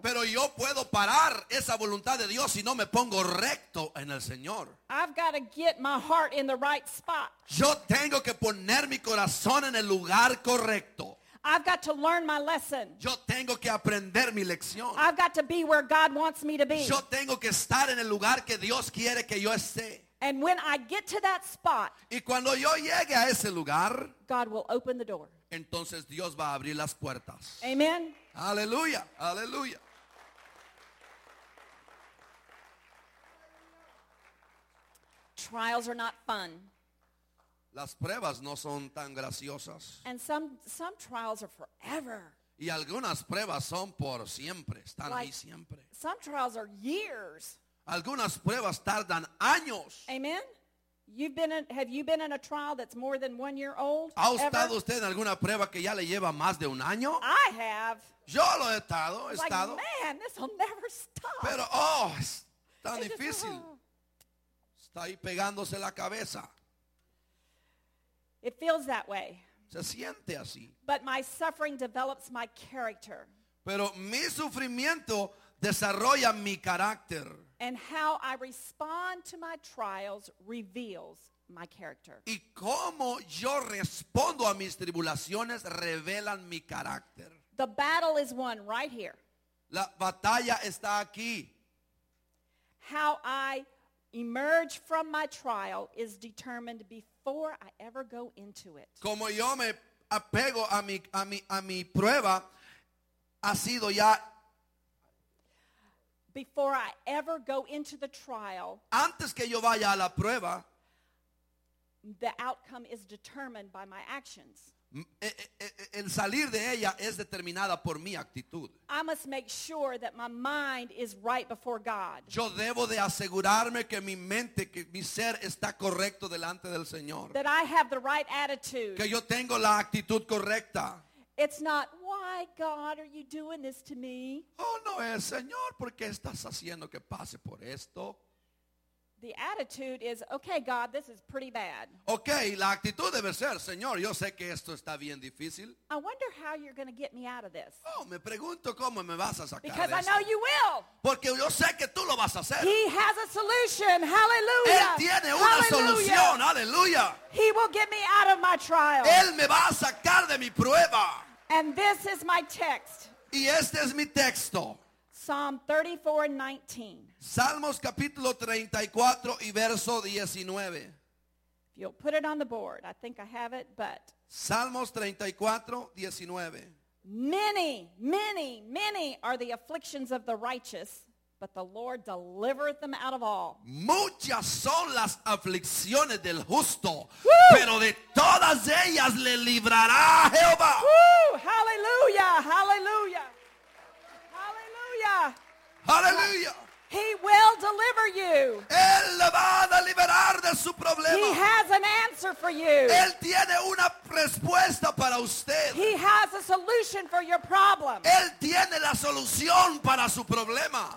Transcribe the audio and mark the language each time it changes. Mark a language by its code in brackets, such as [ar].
[es] Pero yo puedo parar esa voluntad de Dios si no me pongo recto en el Señor. [en] I've got to get my heart in the right spot. [es] Yo tengo que poner mi corazón en el lugar correcto. [en] I've got to learn my lesson. [es] Yo tengo que aprender mi lección. [en] I've got to be where God wants me to be. [es] Yo tengo que estar en el lugar que Dios quiere que yo esté. [en] And when I get to that spot, [es] y cuando yo llegue a ese lugar, [en] God will open the door. [es] Entonces Dios va a abrir las puertas. [en] Amen. [es] Aleluya. Aleluya. [en] Trials are not fun. [es] Las pruebas no son tan graciosas. [en] And some trials are forever. [es] Y algunas pruebas son por siempre. Están ahí siempre. [en] Some trials are years. [es] Algunas pruebas tardan años. [en] Amen. Have you been in a trial that's more than 1 year old? [es] ¿Ha estado usted en alguna prueba que ya le lleva más de un año? [en] I have. [es] Yo lo he estado. [en] Like, [es] estado. [en] Man, this will never stop. [es] Pero es tan it's difícil. Está ahí pegándose la cabeza. [en] It feels that way. [es] Se siente así. [en] But my suffering develops my character. [es] Pero mi sufrimiento desarrolla mi carácter. [en] And how I respond to my trials reveals my character. [es] Y cómo yo respondo a mis tribulaciones revelan mi carácter. [en] The battle is won right here. [es] La batalla está aquí. [en] How I emerge from my trial is determined before I ever go into it. [es] Como yo me apego a mi prueba ha sido ya. [en] Before I ever go into the trial, [es] antes que yo vaya a la prueba, [en] the outcome is determined by my actions. [es] El salir de ella es determinada por mi actitud. [en] I must make sure that my mind is right before God. [es] Yo debo de asegurarme que mi mente, que mi ser está correcto delante del Señor. [en] That I have the right attitude. [es] Que yo tengo la actitud correcta. [en] It's not, why God are you doing this to me? [es] Oh no, es Señor, ¿por qué estás haciendo que pase por esto? [en] The attitude is, okay, God, this is pretty bad. [es] Okay, la actitud debe ser, Señor, yo sé que esto está bien difícil. [en] I wonder how you're going to get me out of this. [es] Oh, me pregunto cómo me vas a sacar. [en] Because [es] de [en] I know you will. [es] Porque yo sé que tú lo vas a hacer. [en] He has a solution. Hallelujah. [es] Él tiene una [en] Hallelujah. [es] Solución. Hallelujah. [en] He will get me out of my trial. [es] Él me va a sacar de mi prueba. [en] And this is my text. [es] Y este es mi texto. [en] Psalm 34:19. [es] Salmos capítulo 34 y verso 19. [en] If you'll put it on the board, I think I have it, but. [es] Salmos 34:19. [en] Many, many, many are the afflictions of the righteous, but the Lord delivereth them out of all. [es] Muchas son las aflicciones del justo, Woo! Pero de todas ellas le librará Jehová. [en] Woo! Hallelujah, hallelujah. Hallelujah. Hallelujah. He will deliver you. [es] Él le va a liberar de su problema. [en] He has an answer for you. [es] Él tiene una respuesta para usted. [en] He has a solution for your problem. [es] Él tiene la solución para su problema.